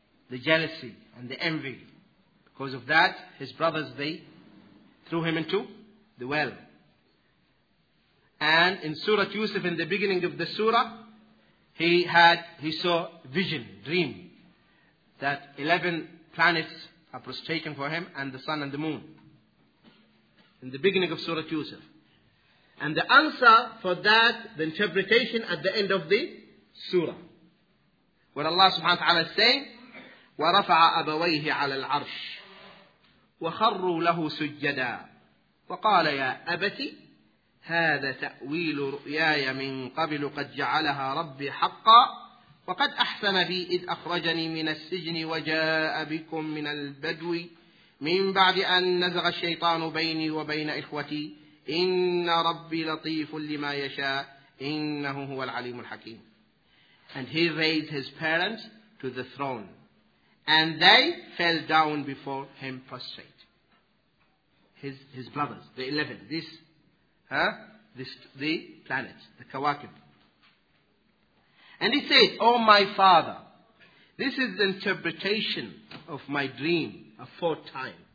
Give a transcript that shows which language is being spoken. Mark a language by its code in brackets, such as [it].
[en] The jealousy and the envy. Because of that, his brothers, they threw him into the well. And in Surah Yusuf, in the beginning of the surah, he saw vision, dream, that 11 planets are prostrating for him and the sun and the moon. In the beginning of Surah Yusuf. And the answer for that, the interpretation at the end of the surah, where Allah subhanahu wa ta'ala is saying, [ar] وَرَفَعَ أَبَوَيْهِ عَلَى الْعَرْشِ وخروا له سجدا وقال يا أبتي هذا تأويل رؤياي من قبل قد جعلها ربي حقا وقد أحسن بي إذ أخرجني من السجن وجاء بكم من البدو من بعد أن نزغ الشيطان بيني وبين إخوتي إن ربي لطيف لما يشاء إنه هو العليم الحكيم. [en] And he raised his parents to the throne. And they fell down before him prostrate. His brothers, the 11, the planets, the kawakib. And he said, oh my father, this is the interpretation of my dream aforetime.